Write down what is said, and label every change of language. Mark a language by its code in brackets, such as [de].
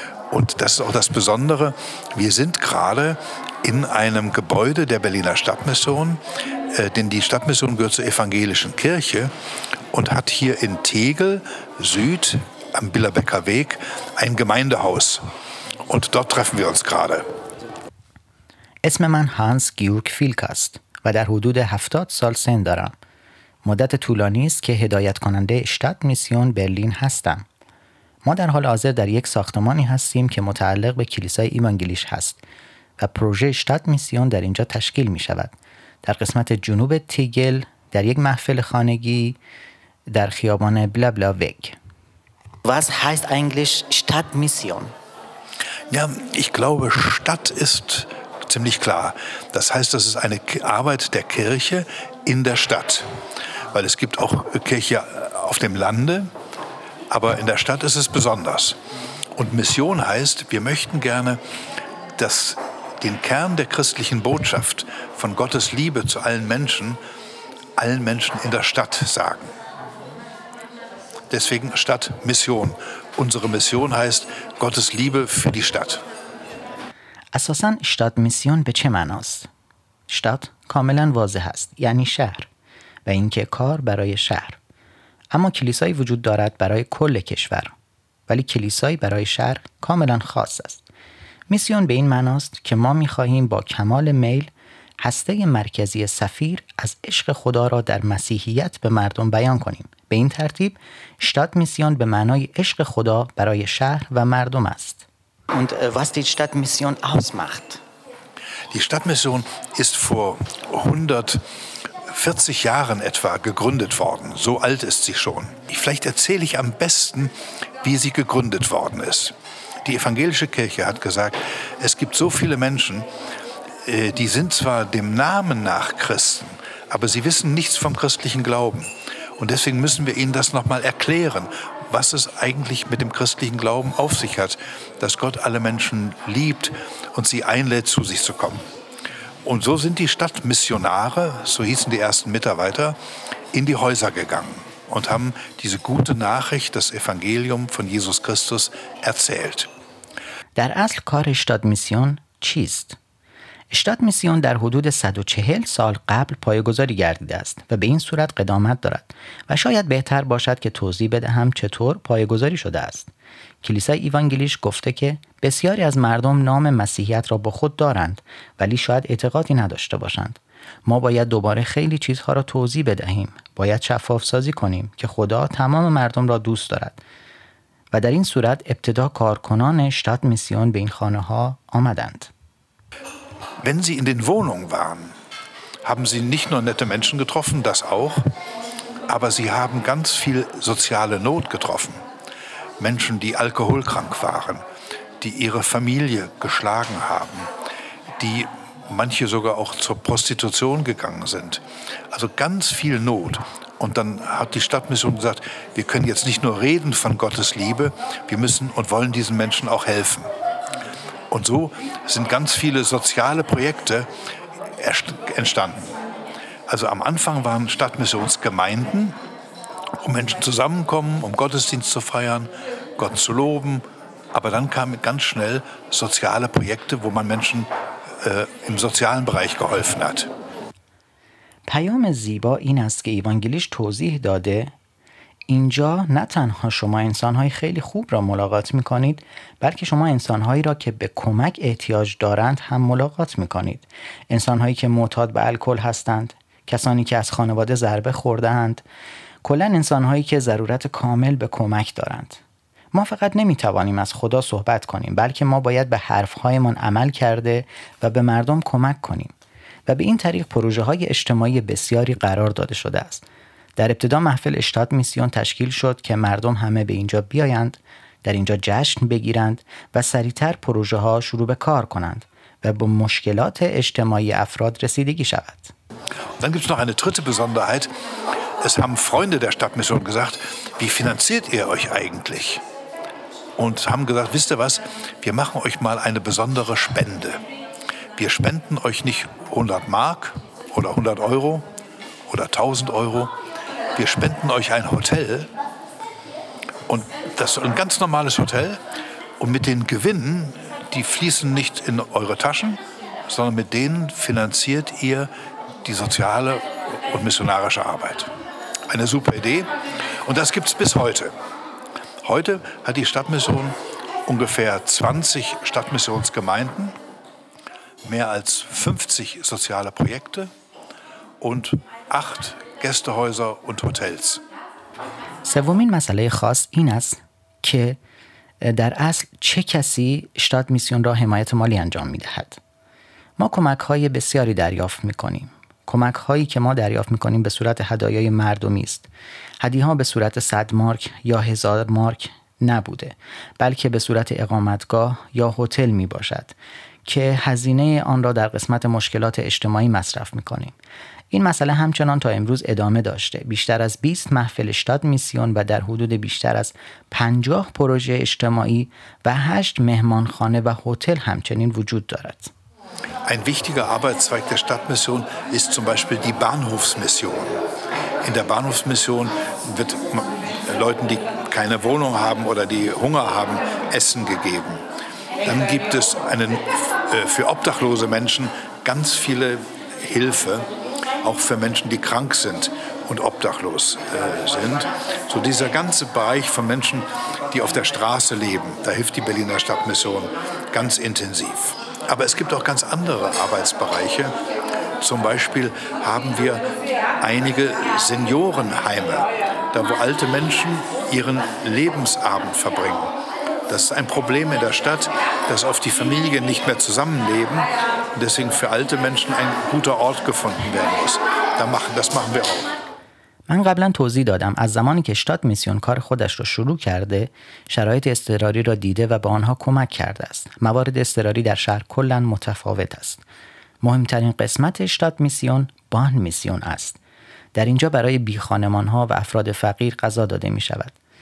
[de] Und das ist auch das Besondere. Wir sind gerade in einem Gebäude der Berliner Stadtmission, denn die Stadtmission gehört zur evangelischen Kirche und hat hier in Tegel Süd am Billerbecker Weg ein Gemeindehaus. Und dort treffen wir uns gerade. [fa] اسم من هانس گیورگ فیلک است و در حدود 70 سال سن دارم. مدت طولانی است که هدایت کننده اشتاد میسیون برلین هستم. ما در حال حاضر در یک ساختمانی هستیم که متعلق به کلیسای ایمانگلیش هست و پروژه اشتاد میسیون در اینجا تشکیل می شود. در قسمت جنوب تیگل در یک محفل خانگی در خیابان بلا بلا ویگ. [de] Was heißt eigentlich Stadtmission? Ja, ich glaube, Stadt ist ziemlich klar. Das heißt, das ist eine Arbeit der Kirche in der Stadt. Weil es gibt auch Kirche auf dem Lande, aber in der Stadt ist es besonders. Und Mission heißt, wir möchten gerne, dass den Kern der christlichen Botschaft von Gottes Liebe zu allen Menschen in der Stadt sagen. Deswegen Stadt Mission. Unsere Mission heißt Gottes Liebe für die Stadt. [fa] اساساً Stadt Mission به چه معناست؟ Stadt کاملاً واضح است، یعنی شهر و اینکه کار برای شهر. اما کلیسایی وجود دارد برای کل کشور، ولی کلیسایی برای شهر کاملاً خاص است. میسیون به این معناست که ما می‌خواهیم با کمال میل هسته مرکزی سفیر از عشق خدا را در مسیحیت به مردم بیان کنیم. به این ترتیب Stadt Mission به معنای عشق خدا برای شهر و مردم است. [de] Und was die Stadt Mission ausmacht? Die Stadt Mission ist vor 140 Jahren etwa gegründet worden. So alt ist sie schon. Vielleicht erzähle ich am besten, wie sie gegründet worden ist. Die evangelische Kirche hat gesagt, es gibt so viele Menschen, die sind zwar dem Namen nach Christen, aber sie wissen nichts vom christlichen Glauben. Und deswegen müssen wir ihnen das nochmal erklären, was es eigentlich mit dem christlichen Glauben auf sich hat, dass Gott alle Menschen liebt und sie einlädt, zu sich zu kommen. Und so sind die Stadtmissionare, so hießen die ersten Mitarbeiter, in die Häuser gegangen und haben diese gute Nachricht, das Evangelium von Jesus Christus, erzählt. [fa] در اصل کار Stadtmission چیست؟ استادمیسیون در حدود 140 سال قبل پایه‌گذاری گردیده است و به این صورت قدامت دارد و شاید بهتر باشد که توضیح بدهم چطور پایه‌گذاری شده است. کلیسای ایوانگلیش گفته که بسیاری از مردم نام مسیحیت را با خود دارند ولی شاید اعتقادی نداشته باشند. ما باید دوباره خیلی چیزها را توضیح بدهیم. باید شفاف سازی کنیم که خدا تمام مردم را دوست دارد. و در این صورت ابتدا کارکنان استادمیسیون به این خانه‌ها آمدند. [de] Wenn Sie in den Wohnungen waren, haben Sie nicht nur nette Menschen getroffen, das auch, aber Sie haben ganz viel soziale Not getroffen. Menschen, die alkoholkrank waren, die ihre Familie geschlagen haben, die manche sogar auch zur Prostitution gegangen sind. Also ganz viel Not. Und dann hat die Stadtmission gesagt, wir können jetzt nicht nur reden von Gottes Liebe, wir müssen und wollen diesen Menschen auch helfen. Und so sind ganz viele soziale Projekte entstanden. Also am Anfang waren Stadtmissionsgemeinden, wo Menschen zusammenkommen, um Gottesdienst zu feiern, Gott zu loben. Aber dann kamen ganz schnell soziale Projekte, wo man Menschen im sozialen Bereich geholfen hat. [fa] پیام زیبا این است که ایوانگلیش توضیح داده اینجا نه تنها شما انسانهای خیلی خوب را ملاقات میکنید، بلکه شما انسانهایی را که به کمک احتیاج دارند هم ملاقات میکنید. انسانهایی که معتاد به الکل هستند، کسانی که از خانواده ضربه خوردند، کلن انسانهایی که ضرورت کامل به کمک دارند. ما فقط نمیتوانیم از خدا صحبت کنیم، بلکه ما باید به حرفهایمان عمل کرده و به مردم کمک کنیم. و به این طریق پروژه های اجتماعی بسیاری قرار داده شده است. در ابتدا محفل اشتاد میسیون تشکیل شد که مردم همه به اینجا بیایند، در اینجا جشن بگیرند و سریعتر پروژه ها شروع به کار کنند و به مشکلات اجتماعی افراد رسیدگی شود. [de] Dann gibt's noch eine dritte Besonderheit. Es haben Freunde der Stadtmission gesagt, wie finanziert ihr euch eigentlich? Und haben gesagt, wisst ihr was, wir machen euch mal eine besondere Spende. Wir spenden euch nicht 100 Mark oder 100 Euro oder 1000 Euro. Wir spenden euch ein Hotel und das ist ein ganz normales Hotel und mit den Gewinnen, die fließen nicht in eure Taschen, sondern mit denen finanziert ihr die soziale und missionarische Arbeit. Eine super Idee und das gibt es bis heute. Heute hat die Stadtmission ungefähr 20 Stadtmissionsgemeinden, mehr als 50 soziale Projekte und 8 Gästehäuser und Hotels. [fa] سومین مسئله خاص این است که در اصل چه کسی شتات میسیون را حمایت مالی انجام میدهد. ما کمک های بسیاری دریافت میکنیم. کمک هایی که ما دریافت میکنیم به صورت هدایای مردمی است. هدیه ها به صورت 100 مارک یا 1000 مارک نبوده، بلکه به صورت اقامتگاه یا هتل می باشد که هزینه آن را در قسمت مشکلات اجتماعی مصرف میکنیم. این مسئله همچنان تا امروز ادامه داشته. بیشتر از 20 محفل شتات میسیون و در حدود بیشتر از 50 پروژه اجتماعی و 8 مهمانخانه و هتل همچنین وجود دارد. [de] Ein wichtiger Arbeitszweig der Stadtmission ist zum Beispiel die Bahnhofsmission. In der Bahnhofsmission wird Leuten, die keine Wohnung haben oder die Hunger haben, Essen gegeben. Dann gibt es für obdachlose Menschen ganz viele Hilfe, auch für Menschen, die krank sind und obdachlos sind. So dieser ganze Bereich von Menschen, die auf der Straße leben, da hilft die Berliner Stadtmission ganz intensiv. Aber es gibt auch ganz andere Arbeitsbereiche. Zum Beispiel haben wir einige Seniorenheime, da wo alte Menschen ihren Lebensabend verbringen. Das ist ein Problem in der Stadt, dass oft die Familien nicht mehr zusammenleben und deswegen für alte Menschen ein guter Ort gefunden werden muss. Das machen wir auch. [fa] من قبلا توضیح دادم از زمانی که شتات میسیون کار خودش را شروع کرده شرایط اضطراری را دیده و به آنها کمک کرده است. موارد اضطراری در شهر کلا متفاوت است. مهمترین قسمت شتات میسیون بان میسیون است. در اینجا برای بی خانمان ها و افراد فقیر غذا داده می شود.